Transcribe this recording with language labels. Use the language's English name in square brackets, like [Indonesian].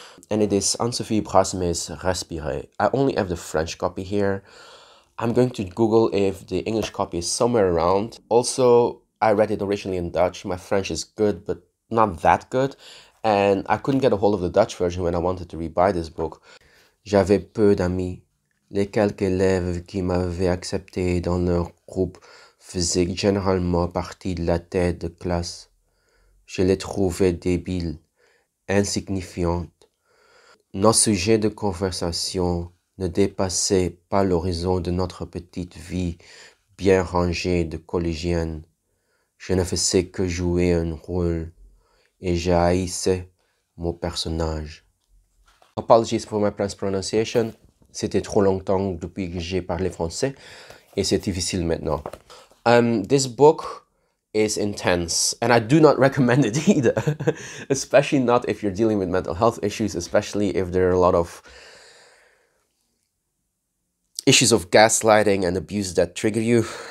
[English] And it is Anne-Sophie Brasme's Respire. I only have the French copy here. I'm going to Google if the English copy is somewhere around. Also, I read it originally in Dutch. My French is good, but not that good. And I couldn't get a hold of the Dutch version when I wanted to rebuy this book. [French] J'avais peu d'amis. Les quelques élèves qui m'avaient accepté dans leur groupe faisaient généralement partie de la tête de classe. Je les trouvais débiles, insignifiantes. Nos sujets de conversation ne dépassait pas l'horizon de notre petite vie bien rangée de collégienne. Je ne faisais que jouer un rôle et je haïssais mon personnage. [English] Apologies for my pronunciation. [French] C'était trop longtemps depuis que j'ai parlé français et c'est difficile maintenant. [English] This book is intense and I do not recommend it either, especially not if you're dealing with mental health issues, especially if there are a lot of issues of gaslighting and abuse that trigger you.